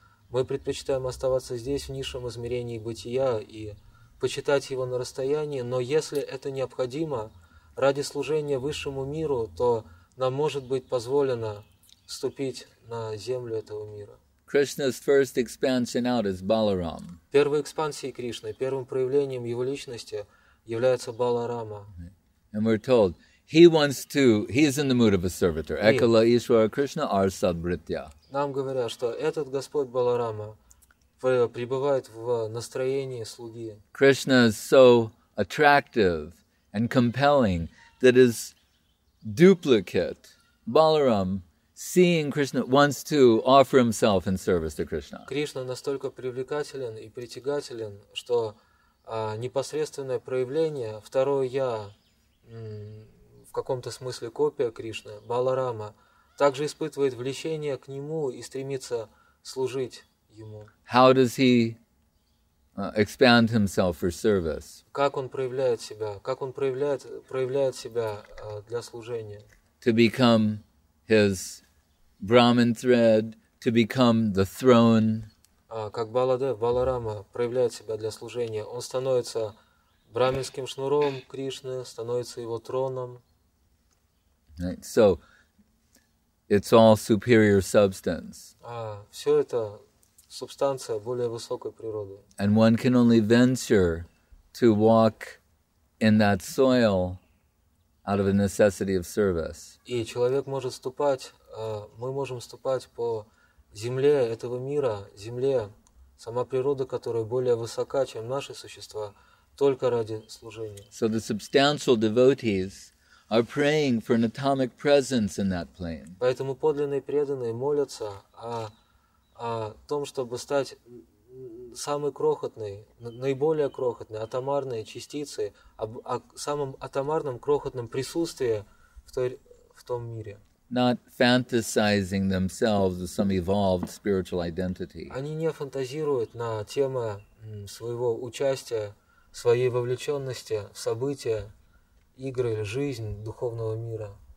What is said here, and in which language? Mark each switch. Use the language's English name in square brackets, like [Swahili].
[Russian] Мы предпочитаем оставаться здесь, в низшем измерении бытия, и почитать его на расстоянии, но если это необходимо, ради служения высшему миру, то нам может быть позволено вступить на землю этого мира. [English] Krishna's first expansion out is Balaram. [Russian] Первой экспансией Кришны, первым проявлением его личности является Баларама. [English] And we're told he wants to. He is in the mood of a servitor. [Bangla] Ekala Ishvara Krishna Arsadbritya. [Russian] Нам говорят, что этот Господь Баларама пребывает в настроении слуги. [English] Krishna is so attractive and compelling that his duplicate, Balaram, seeing Krishna, wants to offer himself in service to Krishna. [Russian] Кришна настолько привлекателен и притягателен, что непосредственное проявление второе я, в каком-то смысле копия Кришны, Баларама, также испытывает влечение к нему и стремится служить ему. [English] How does he expand himself for service? [Russian] Как он проявляет себя? Как он проявляет себя для служения? [English] To become his Brahmin thread, to become the throne. [Russian] Как Баладев, Баларама проявляет себя для служения. Он становится брахминским шнуром Кришны, становится его троном. [English] Right. So, it's all superior substance. [Russian] Все это субстанция более высокой природы. [English] And one can only venture to walk in that soil out of a necessity of service. [Russian] И человек может ступать. Мы можем ступать по земле этого мира, земле, сама природа, которая более высока, чем наши существа, только ради служения. [English] So the substantial devotees are praying for an atomic presence in that plane. [Russian] Поэтому подлинные преданные молятся о том, чтобы стать самой крохотной, наиболее крохотной, атомарной частицей, о самом атомарном, крохотном присутствии в том мире. [English] Not fantasizing themselves with some evolved spiritual identity. [Russian] Они не фантазируют на тему своего участия, своей вовлеченности в события, игры, жизнь духовного мира.